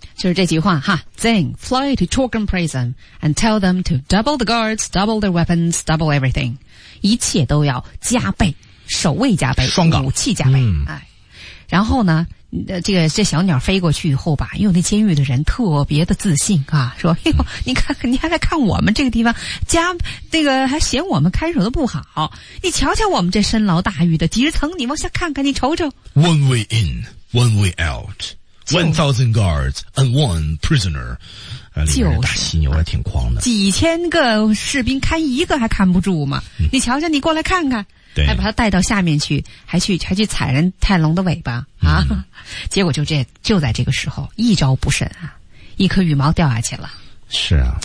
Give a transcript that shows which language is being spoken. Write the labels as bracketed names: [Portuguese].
[Chinese] 就是这句话哈 [English] Then fly to Chokan prison and tell them to double the guards, double their weapons, double everything. [Chinese] 一切都要加倍，守卫加倍，双武器加倍、哎、然后呢这小鸟飞过去以后吧，因为那监狱的人特别的自信啊，说哎呦你看你还在看我们这个地方加那个还嫌我们看守的不好，你瞧瞧我们这深牢大狱的几十层，你往下看看，你瞅瞅 [English] One way in, one way out1,000 guards and one prisoner. [Chinese] 就是大犀牛还挺狂的。几千个士兵看一个还看不住吗、你瞧瞧你过来看看。对。还把他带到下面去，还去踩人泰隆的尾巴。啊。结果就在这个时候一招不慎啊，一颗羽毛掉下去了。是啊。